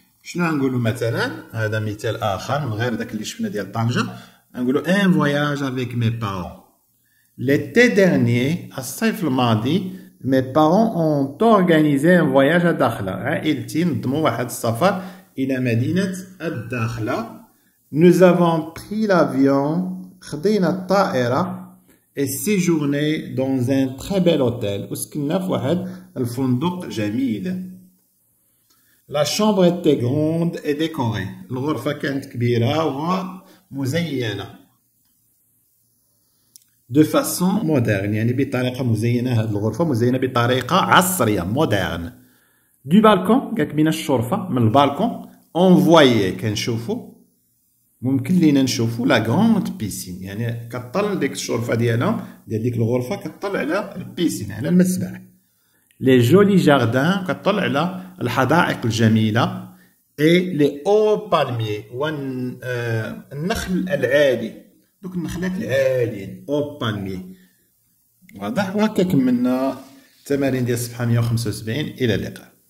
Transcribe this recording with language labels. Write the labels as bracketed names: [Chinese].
[Arabic] شنو نقولوا مثلا هذا مثال اخر من غير داك اللي شفنا ديال طنجه نقولوا [French] ان فواياج افيك مي بارون ليتي ديرني [Arabic] الصيف الماضي [French] Mes parents ont organisé un voyage à Dakhla. [Arabic] عائلتي نظموا واحد السفر إلى مدينة الداخلة. [French] Nous avons pris l'avion, [Arabic] خدينا الطائرة, [French] et séjourné dans un très bel hôtel. [Arabic] وسكننا في واحد الفندق جميل. [French] La chambre était grande et décorée. [Arabic] الغرفة كانت كبيرة ومزينة. [French] De façon moderne, [Arabic] يعني بطريقة مزينة هذه الغرفة مزينة بطريقة عصرية مودرن. [French] Du balcon, [Arabic] قالك من الشرفة من البالكون, [French] on voyait, [Arabic] كنشوفو ممكن لينا نشوفو [French] la grande piscine, [Arabic] يعني كطل ديك الشرفة ديالهم ديال ديك الغرفة كطل على البيسين على المسبح. Les jolis jardins, كطل على الحدائق الجميلة. [French] Et les hauts palmiers, [Arabic] والنخل العالي. دوك النخلات العاليين او بالمي. واضح وهكا كملنا التمارين ديال الصفحة 175 الى اللقاء.